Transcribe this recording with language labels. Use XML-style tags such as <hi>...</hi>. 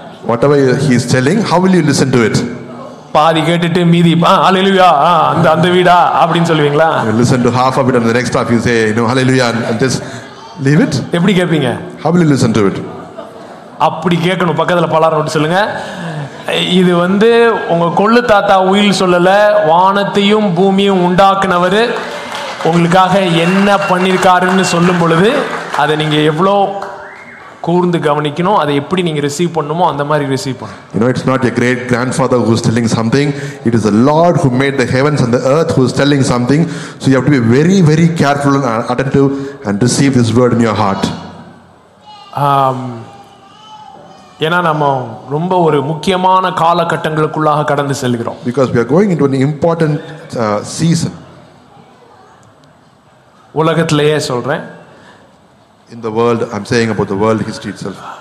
<en>Whatever he is telling, how will you listen to it?</en> <ta>பாதி கேட்டுட்டு மீதி ஹல்லேலூயா அந்த அந்த வீடா அப்படின்னு சொல்லுவீங்களா?</ta> <en>You listen to half of it and the next half you say, you know, hallelujah and just leave it.</en> <ta>எப்படி கேப்பீங்க?</ta> <en>How will you listen to it?</en> <ta>அப்படி கேட்கணும். பக்கத்துல பலாரோட்டு சொல்லுங்க, இது வந்து உங்க கொள்ளு தாத்தா உயில் சொல்லல, வானத்தையும் பூமியும் உண்டாக்குனவர் உங்களுக்காக என்ன பண்ணிருக்காருன்னு சொல்லும் பொழுது அதை நீங்க எவ்வளவு கூர்ந்து கவனிக்கணும், அதை எப்படி நீங்க ரிசீவ் பண்ணுமோ அந்த மாதிரி ரிசீவ் பண்ணணும்.</ta> <en>You know, it's not a great grandfather who's telling something, it is the Lord who made the heavens and the earth who's telling something. So you have to be very very careful and attentive and receive this word in your heart.</en> <ta>ஏன்னா நம்ம ரொம்ப ஒரு முக்கியமான காலகட்டங்களுக்குள்ளாக கடந்து செல்கிறோம்.</ta> <en>Because we are going into an important season.</en> <ta>உலகத்திலேயே சொல்றேன்,</ta> <en>in the world, I'm saying about the world history itself.</en>